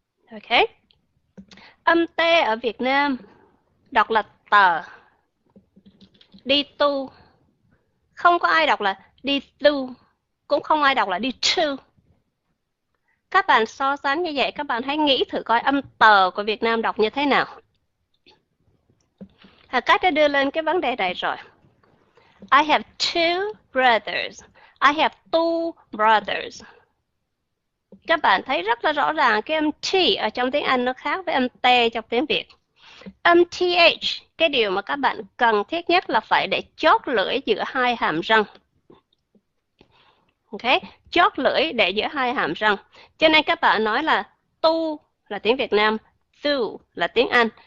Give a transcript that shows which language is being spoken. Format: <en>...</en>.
<vi>Ok, âm T ở Việt Nam đọc là tờ, đi tu, không có ai đọc là đi tu, cũng không ai đọc là đi tu. Các bạn so sánh như vậy, các bạn hãy nghĩ thử coi âm tờ của Việt Nam đọc như thế nào. Hà Cát đã đưa lên cái vấn đề này rồi.</vi> <en>I have two brothers. I have two brothers.</en> <vi>Các bạn thấy rất là rõ ràng cái âm T ở trong tiếng Anh nó khác với âm T trong tiếng Việt. Âm TH, cái điều mà các bạn cần thiết nhất là phải để chót lưỡi giữa hai hàm răng. Ok, chót lưỡi để giữa hai hàm răng. Cho nên các bạn nói là tu là tiếng Việt Nam, tu là tiếng Anh.</vi>